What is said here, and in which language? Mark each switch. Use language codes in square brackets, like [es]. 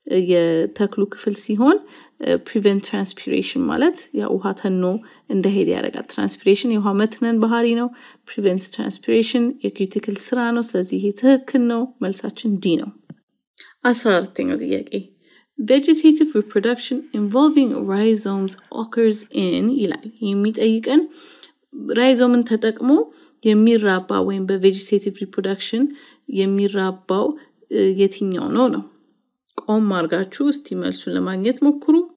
[am] የተክሉ ክፍል ሲሆን prevent transpiration ማለት ያ ውሃ ተኖ እንዳይሄድ ያደርጋል። transpiration የውሃ መትነን ባህሪ ነው። prevents transpiration የኪውቲክል ስራ ነው። ስለዚህ ይሄ ትክክል ነው። መልሳችን ዲ ነው። 14ኛው ጥያቄ [en] Vegetative reproduction involving rhizomes occurs in [am] ይላል። የሚጠይቀን ራይዞምን ተጠቅሞ የሚራባ ወይም በቬጂቴቲቭ ሪፕሮዳክሽን የሚራባው የትኛው ነው ነው። ቆም አድርጋችሁ እስቲ መልሱን ለማግኘት ሞክሩ።